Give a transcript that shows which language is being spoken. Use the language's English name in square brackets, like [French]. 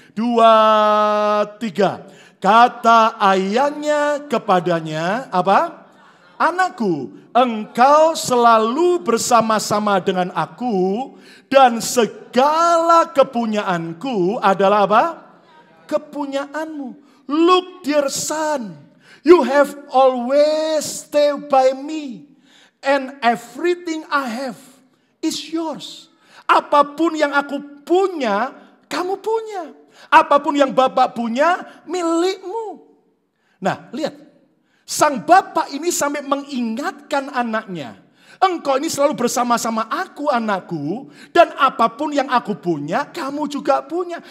[Indonesian] 2, 3. Kata ayahnya kepadanya, apa? Anakku, engkau selalu bersama-sama dengan aku dan segala kepunyaanku adalah apa? Kepunyaanmu. [English] Look, dear son. You have always stayed by me and everything I have is yours. [Indonesian] Apapun yang aku punya, kamu punya. Apapun yang bapak punya, milikmu. Nah, lihat. Sang bapak ini sampai mengingatkan anaknya. Engkau ini selalu bersama-sama aku, anakku. Dan apapun yang aku punya, kamu juga punya.